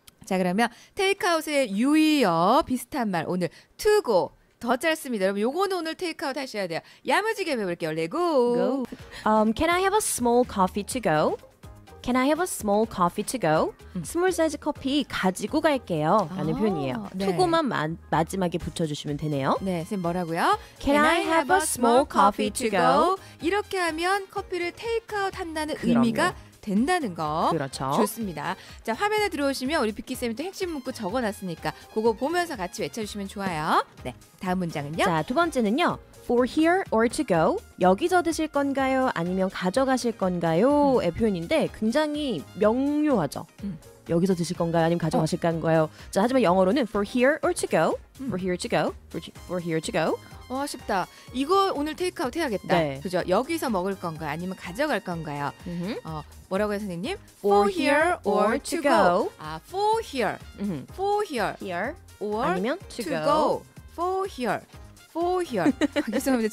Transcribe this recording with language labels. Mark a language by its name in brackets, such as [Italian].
[Korean] 자 그러면 take out의 유의어 비슷한 말 오늘 to go. 더 짧습니다. 여러분, 요거는 오늘 테이크아웃 하셔야 돼요. 야무지게 배워볼게요. 레고! [English] Go. Can I have a small coffee to go? Can I have a small coffee to go? [Korean] 스몰 사이즈 커피 가지고 갈게요. 라는 표현이에요. 네. to go만 마지막에 붙여주시면 되네요. 네, 선생님 뭐라고요? [English] Can I have a small coffee to go? [Korean] 이렇게 하면 커피를 테이크아웃 한다는 그럼요. 의미가 된다는 거. 그렇죠. 좋습니다. 자, 화면에 들어오시면 우리 비키쌤이 또 핵심 문구 적어놨으니까 그거 보면서 같이 외쳐주시면 좋아요. 네, 다음 문장은요? 자, 두 번째는요. [English] For here or to go? [Korean] 여기서 드실 건가요? 아니면 가져가실 건가요? 의 표현인데 굉장히 명료하죠. 여기서 드실 건가요? 아니면 가져가실 건가요? 자, 하지만 영어로는 [English] for here or to go? For here to go? For here to go? [Korean] 아쉽다. 이거 오늘 테이크아웃 해야겠다. 네. 그죠? 여기서 먹을 건가요? 아니면 가져갈 건가요? Mm-hmm. 뭐라고요, 선생님? [English] For here or to go? For here. Mm-hmm. For here. Here. Or [Korean] 아니면 to go. [English] For here. For here. [Korean] 죄송합니다.